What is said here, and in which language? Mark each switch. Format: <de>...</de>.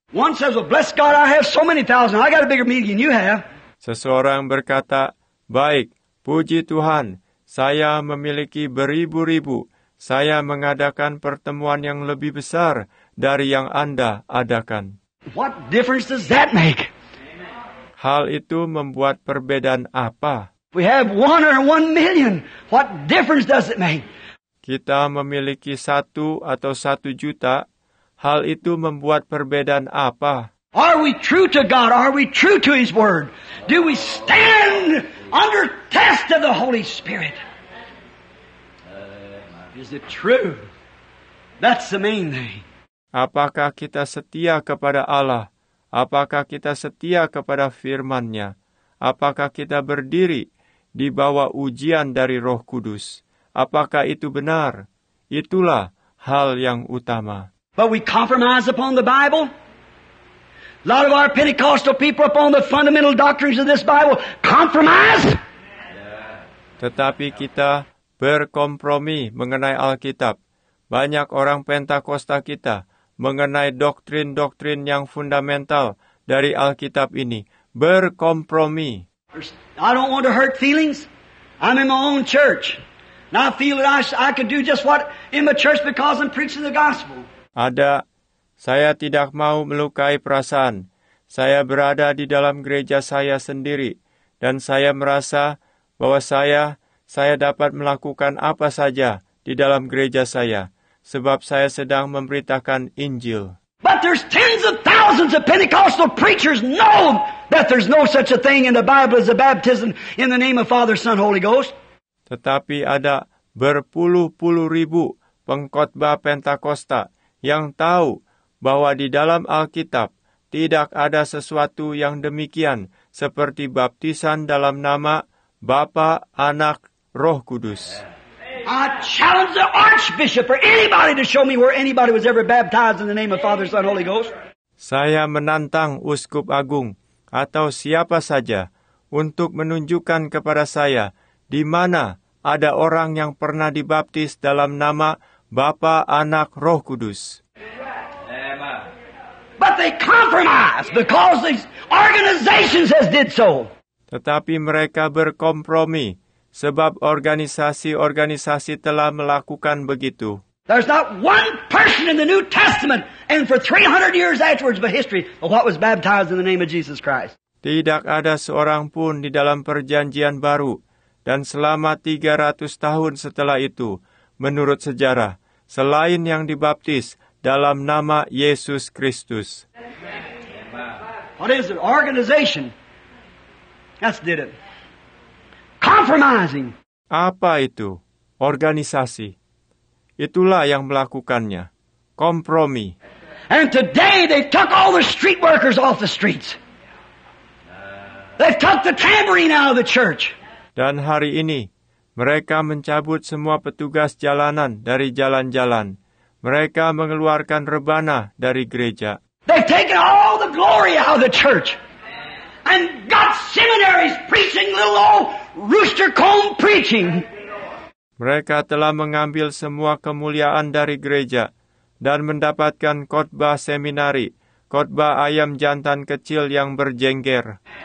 <en>One says, well, bless God, I have so many thousand, I got a bigger meeting than you have.</en> <id>Seseorang berkata, baik, puji Tuhan, saya memiliki beribu-ribu, saya mengadakan pertemuan yang lebih besar dari yang Anda adakan.</id> <en>What difference does that make?</en> <id>Hal itu membuat perbedaan apa?</id> <en>We have one or one million. What difference does it make?</en> <id>Kita memiliki satu atau satu juta. Hal itu membuat perbedaan apa?</id> <en>Are we true to God? Are we true to His Word? Do we stand under test of the Holy Spirit? Is it true? That's the main thing.</en> <id>Apakah kita setia kepada Allah? Apakah kita setia kepada firman-Nya? Apakah kita berdiri di bawah ujian dari Roh Kudus? Apakah itu benar? Itulah hal yang utama.</id> <en>But we compromise upon the Bible. A lot of our Pentecostal people upon the fundamental doctrines of this Bible compromise.</en> <id>Tetapi kita berkompromi mengenai Alkitab. Banyak orang Pentakosta kita mengenai doktrin-doktrin yang fundamental dari Alkitab ini berkompromi.</id> <en>I don't want to hurt feelings. I'm in my own church. And I feel that I could do just what in my church because I'm preaching the gospel.</en> <id>Ada, saya tidak mau melukai perasaan. Saya berada di dalam gereja saya sendiri dan saya merasa bahwa saya dapat melakukan apa saja di dalam gereja saya. Sebab saya sedang memberitakan Injil.</id> <en>But there's tens of thousands of Pentecostal preachers know that there's no such a thing in the Bible as a baptism in the name of Father, Son, Holy Ghost.</en> <id>Tetapi ada berpuluh-puluh ribu pengkhotbah Pentakosta yang tahu bahwa di dalam Alkitab tidak ada sesuatu yang demikian seperti baptisan dalam nama Bapa, Anak, Roh Kudus.</id> <en>I challenge the archbishop for anybody to show me where anybody was ever baptized in the name of Father, Son, Holy Ghost.</en> <id>Saya menantang uskup agung atau siapa saja untuk menunjukkan kepada saya di mana ada orang yang pernah dibaptis dalam nama Bapa, Anak, Roh Kudus.</id> <en>But they compromise because these organizations has did so.</en> <id>Tetapi mereka berkompromi. Sebab organisasi-organisasi telah melakukan begitu.</id> <en>There's not one person in the New Testament and for 300 years afterwards but history of what was baptized in the name of Jesus Christ.</en> <id>Tidak ada seorang pun di dalam Perjanjian Baru Dan selama 300 tahun setelah itu, menurut sejarah, selain yang dibaptis dalam nama Yesus Kristus.</id> <en>What is it? Organization. That's did it. Compromising.</en> <id>Apa itu? Organisasi. Itulah yang melakukannya. Kompromi.</id> <en>And today they took all the street workers off the streets. They took the tambourine out of the church.</en> <id>Dan hari ini, mereka mencabut semua petugas jalanan dari jalan-jalan. Mereka mengeluarkan rebana dari gereja.</id> <en>They've taken all the glory out of the church. And got seminaries preaching little old rooster comb preaching.</en> <id>Mereka telah mengambil semua kemuliaan dari gereja dan mendapatkan khotbah seminari, khotbah ayam jantan kecil yang berjengger.</id>